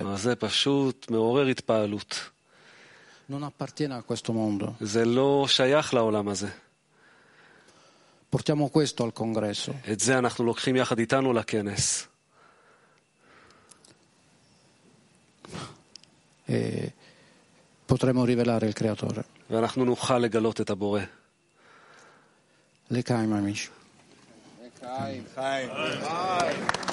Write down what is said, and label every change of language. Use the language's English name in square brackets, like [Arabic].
[Italian] Ma [Hebrew] זה פשוט מעורר התפעלות. [Italian] Non appartiene a questo mondo. [Hebrew] זה לא שייך לעולם הזה. [Italian] Portiamo questo al congresso. E [Hebrew] ze אנחנו לוקחים יחד איתנו לכנס. [Italian] E potremo rivelare il creatore. [Hebrew] ואנחנו נוכל לגלות את הבורא. לקיים אמיש. לקיים, חיים. חיים.